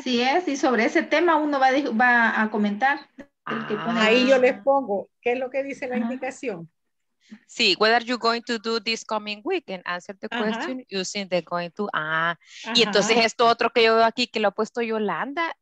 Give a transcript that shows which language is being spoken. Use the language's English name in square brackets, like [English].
[Spanish] Así es, y sobre ese tema uno va a comentar. Ahí yo les pongo, ¿qué es lo que dice la indicación? [English] Sí, what are you going to do this coming week? And answer the question using the going to. [Spanish] Y entonces esto otro que yo veo aquí que lo ha puesto Yolanda,